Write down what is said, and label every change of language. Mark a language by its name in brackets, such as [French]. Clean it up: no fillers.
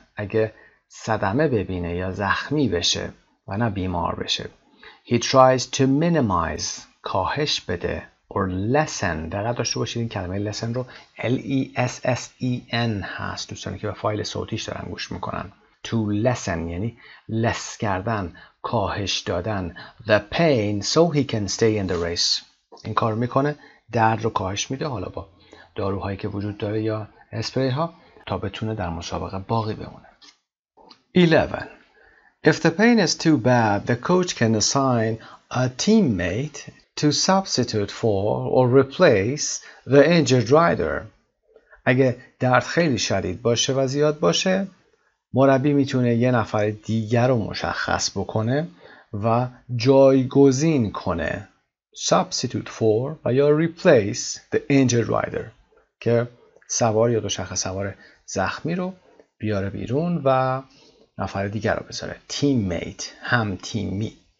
[Persian] اگه صدمه ببینه یا زخمی بشه و نه بیمار بشه، [English] he tries to minimize، [Persian] کاهش بده، [English] or lessen، [Persian] دقیق داشته باشید این کلمه lessen رو، lessen هست، دوستانی که به فایل صوتیش دارن گوش میکنن، [English] to lessen [Persian] یعنی less کردن، کاهش دادن، [English] the pain so he can stay in the race. [Persian] این کار میکنه، درد رو کاهش میده، حالا با داروهایی که وجود داره یا اسپری ها، تا بتونه در مسابقه باقی بمونه. [English] 11. If the pain is too bad, the coach can assign a teammate to substitute for or replace the injured rider. [Persian] اگه درد خیلی شدید باشه و زیاد باشه، مربی میتونه یه نفر دیگر رو مشخص بکنه و جایگزین کنه، [English] substitute for [Persian] و یا [English] replace the injured rider، [Persian] که سوار یا دوچرخه سوار زخمی رو بیاره بیرون و نفر دیگر رو بذاره، teammate، هم تیمی.